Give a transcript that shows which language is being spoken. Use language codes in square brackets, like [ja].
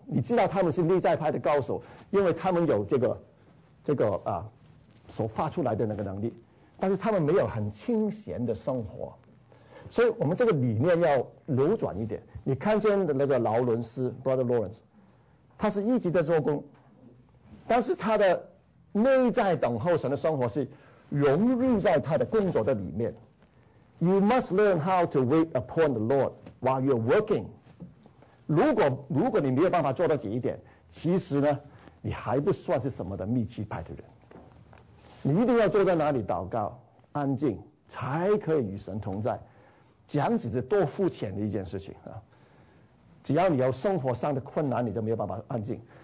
[zh] 你知道他们是内在派的高手，因为他们有这个所发出来的那个能力，但是他们没有很清闲的生活。所以我们这个理念要扭转一点。你看见的那个劳伦斯 Brother Lawrence， 他是一直在做工，但是他的内在等候神的生活是融入在他的工作的里面。 [en] You must learn how to wait upon the Lord while you're working. [zh] 如果你没有办法做到这一点，其实呢，你还不算是什么的密契派的人。你一定要坐在哪里祷告，安静，才可以与神同在。这样子是多肤浅的一件事情啊！只要你有生活上的困难，你就没有办法安静。